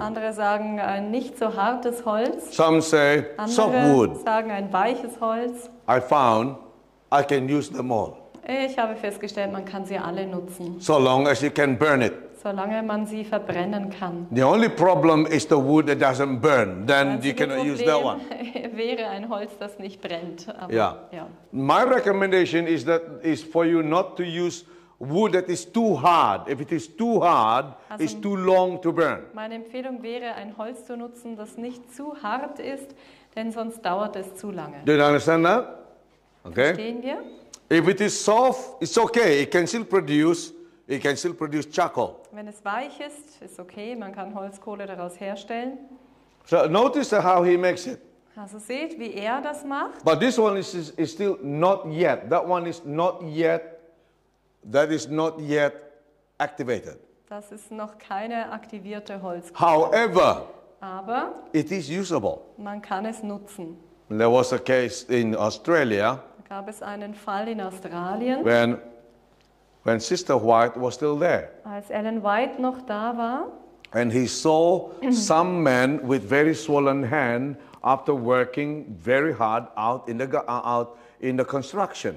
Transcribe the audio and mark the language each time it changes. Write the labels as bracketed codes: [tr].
[de] Andere sagen ein nicht so hartes Holz. [en] Some say soft wood. [de] Andere sagen ein weiches Holz. [en] I found I can use them all. [de] Ich habe festgestellt, man kann sie alle nutzen. [en] So long as you can burn it. [de] Solange man sie verbrennen kann. [en] The only problem is the wood that doesn't burn. Then you cannot use that one. [de] Wäre ein Holz, das nicht brennt. Aber, yeah. Yeah. [en] My recommendation is that is for you not to use wood that is too hard. If it is too hard, also it's too long to burn. [de] Meine Empfehlung wäre, ein Holz zu nutzen, das nicht zu hart ist, denn sonst dauert es zu lange. [en] Do you understand that? Okay. [de] Verstehen wir? [en] If it is soft, it's okay. It can still produce It can still produce charcoal. [de] Wenn es weich ist, ist okay, man kann Holzkohle daraus herstellen. [en] So notice how he makes it. [de] Also seht, wie er das macht. [en] But this one is still not yet. That one is not yet. That is not yet activated. [de] Das ist noch keine aktivierte Holzkohle. [en] However, [de] aber [en] it is usable. [de] Man kann es nutzen. [en] There was a case in Australia. [de] Da gab es einen Fall in Australien. [en] When Sister White was still there. [de] Als Ellen White noch da war. [en] And he saw some men with very swollen hand after working very hard out in the construction.